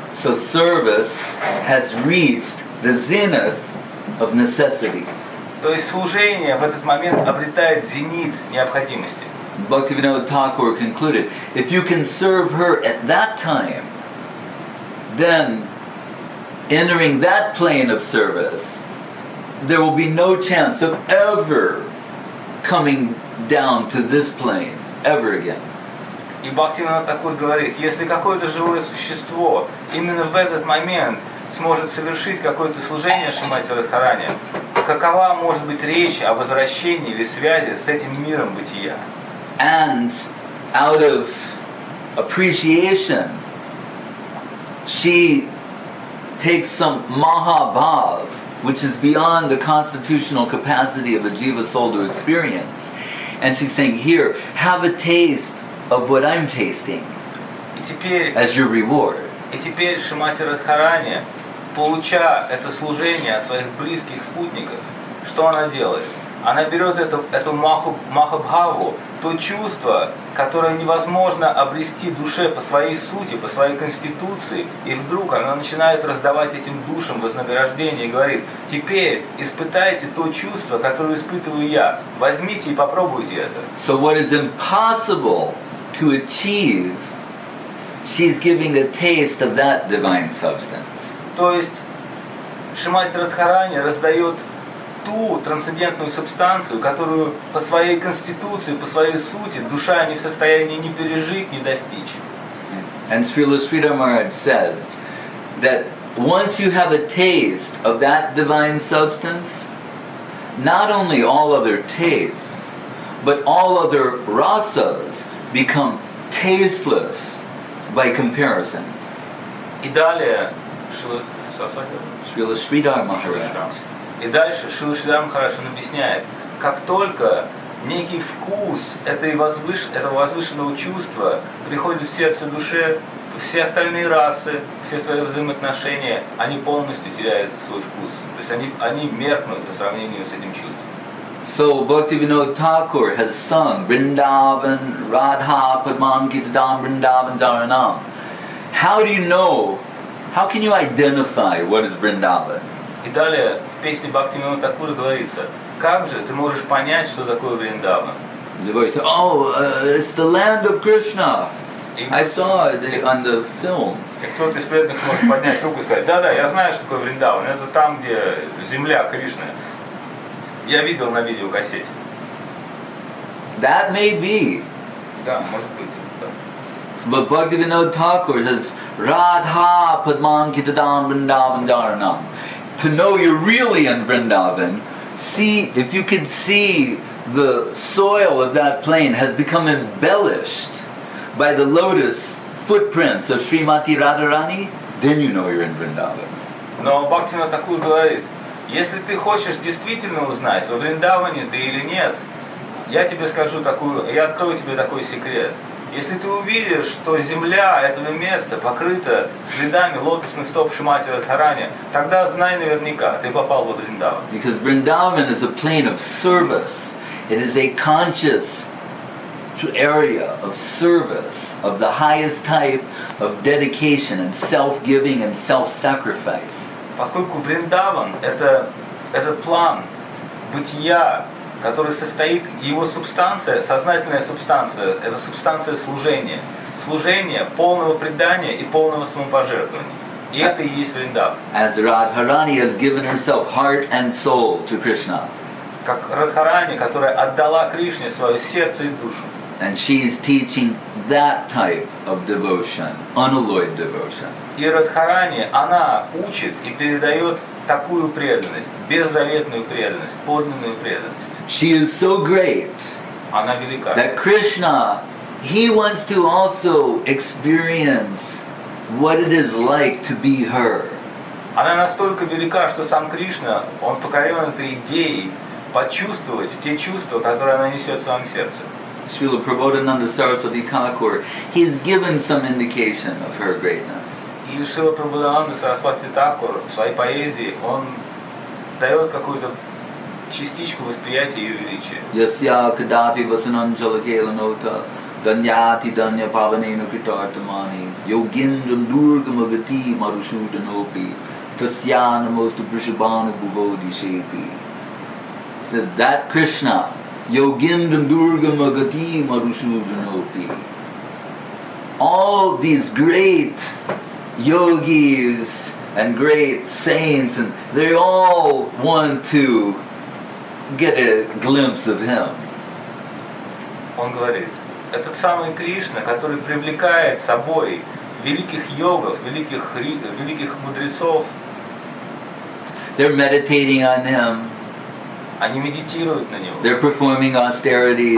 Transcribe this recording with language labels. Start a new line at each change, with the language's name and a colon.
English: So service has reached the zenith of necessity.
Russian: То есть служение в этот момент обретает зенит необходимости.
English: Bhaktivinoda Thakur concluded, if you can serve her at that time, then entering that plane of service, there will be no chance of ever coming down to this plane ever again.
Russian: И Бхактивинода Такур говорит, если какое-то живое существо именно в этот момент сможет совершить какое-то служение Шримати Радхарани, какова может быть речь о возвращении или связи с этим миром бытия?
English: And out of appreciation, she takes some mahabhav, which is beyond the constitutional capacity of a jiva soul to experience, and she's saying, here, have a taste of what I'm tasting as your reward.
Russian: И теперь Шримати Радхарани, получа это служение от своих близких спутников, что она делает? Она берет эту махабхаву, то чувство, которое невозможно обрести душе по своей сути, по своей конституции, и вдруг она начинает раздавать этим душам вознаграждение и говорит, теперь испытайте то чувство, которое испытываю я. Возьмите и попробуйте это.
English: So what is impossible to achieve, she's giving a taste of that divine substance.
Russian: То есть Шримати Радхарани раздает ту трансцендентную субстанцию, которую по своей конституции, по своей сути, душа не в состоянии ни пережить, ни достичь.
English: And Srila Sridhar Maharaj said that once you have a taste of that divine substance, not only all other tastes, but all other rasas become tasteless by comparison.
Russian: И далее,
English: Srila Sridhar Maharaj.
Russian: И дальше Шрила Шридхар хорошо объясняет, как только некий вкус этого возвышенного чувства приходит в сердце души, все остальные расы, все свои взаимоотношения, они полностью теряют свой вкус. То есть они меркнут по сравнению с этим чувством.
English: So Bhaktivinoda Thakur has sung
Sanskrit: Vrindavan, Radha, Padmam, Gitadam, Vrindavan, Dharanam.
English: How do you know, how can you identify what is Vrindavan?
Russian: И далее в песне Бхактивинода Такура говорится, как же ты можешь понять, что такое Вриндава?
English: Oh, it's the land of Krishna. I saw it on the film.
Russian: И кто-то из преданных может поднять руку и сказать, да-да, я знаю, что такое Вриндава. Это там, где земля Кришны. Я видел на видеокассете.
English: That may be.
Russian: Да, может быть.
English: But Bhaktivinoda Thakur says,
Sanskrit: Radha Padmam Kitadam Vrindavan Dharanam.
English: To know you're really in Vrindavan, see if you can see the soil of that plain has become embellished by the lotus footprints of Srimati Radharani, then you know you're in Vrindavan.
Russian: Но Бхактивинода Такур говорит, если ты хочешь действительно узнать, во Вриндаване ты или нет, я тебе скажу такую, я открою тебе такой секрет. Если ты увидишь, что земля этого места покрыта следами лотосных стоп Шримати Радхарани, тогда знай наверняка, ты попал во Вриндаван.
English: Because Vrindavan is a plane of service. It is a conscious area of service of the highest type of dedication and self-giving and self-sacrifice.
Russian: Поскольку Вриндаван это план бытия, который состоит, его субстанция, сознательная субстанция, это субстанция служения. Служение полного предания и полного самопожертвования. И это и есть Вриндаван.
English: As Radharani has given herself heart and soul to Krishna.
Russian: Как Радхарани, которая отдала Кришне свое сердце и душу.
English: And she is teaching that type of devotion, unalloyed devotion.
Russian: И Радхарани, она учит и передает такую преданность, беззаветную преданность, подлинную преданность.
English: She is so great that Krishna, he wants to also experience what it is like to be her.
Russian: Она настолько велика, что сам Кришна, он покорен этой идеей почувствовать те чувства, которые она несет в своем сердце.
English: Srila Prabodhananda Saraswati Thakur, he has given some indication of her greatness.
Russian: И Srila Prabodhananda Saraswati Thakur в своей поэзии, он дает какую-то частичку восприятия ее величия.
Sanskrit: Yasya kadapi vasanam jalakelanota Danyati danya pavanenu kritartamani, yogindram durgamagati marushudanopi, tasyana mostu prishabhanu bhuvodi shepi.
English: Says that Krishna,
Sanskrit: yogindram durgamagati marushudanopi.
English: All these great yogis and great saints, and they all want to get a glimpse of him.
Russian: Он говорит, этот самый Кришна, который привлекает собой великих йогов, великих мудрецов.
English: They're meditating on him.
Russian: Они медитируют на него.
English: They're performing austerity.